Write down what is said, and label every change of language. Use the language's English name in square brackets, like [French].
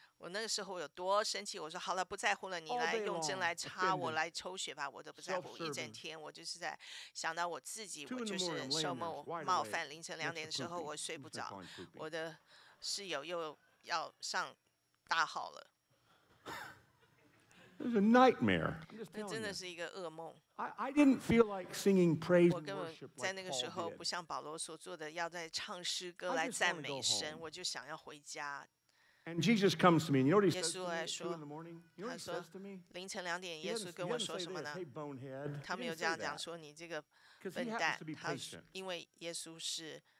[Chinese] 我那个时候有多生气，我说好了，不在乎了，你来用针来插我，来抽血吧，我都不在乎。一整天我就是在想到我自己，我就是受冒犯。凌晨两点的时候我睡不着，我的室友又要上大号了。 [English] It's a nightmare. [Chinese] 那真的是一个噩梦。 [English] I didn't feel like singing praise and worship. [Chinese] 我根本在那个时候不像保罗所做的，要在唱诗歌来赞美神，我就想要回家。 [English] And Jesus comes to me. You know what he says to me? [Chinese] 耶稣来说，他说凌晨两点，耶稣跟我说什么呢？他没有这样讲说你这个笨蛋。他因为耶稣是